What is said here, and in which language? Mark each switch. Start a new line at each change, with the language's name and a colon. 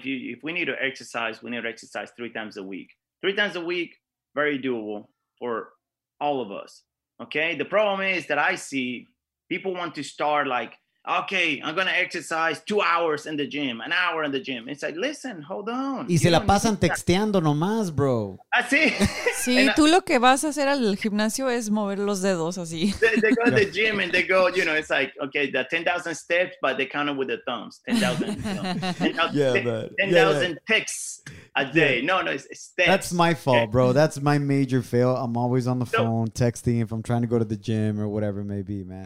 English: If we need to exercise, we need to exercise 3 times a week. 3 times a week, very doable for all of us, okay? The problem is that I see people want to start like okay, I'm going to exercise 2 hours in the gym, an hour in the gym. It's like, listen, hold on.
Spanish: Y se la pasan texteando nomás, bro. Así. Sí, tú lo que vas a hacer al gimnasio es mover los dedos así.
English: They go to the gym and they go, you know, it's like, okay, the 10,000 steps, but they count it with the thumbs. 10,000 ticks a day. Yeah. No, it's steps. That's my fault, bro. That's my major fail. I'm always on the phone texting if I'm trying to go to the gym or whatever it may be, man.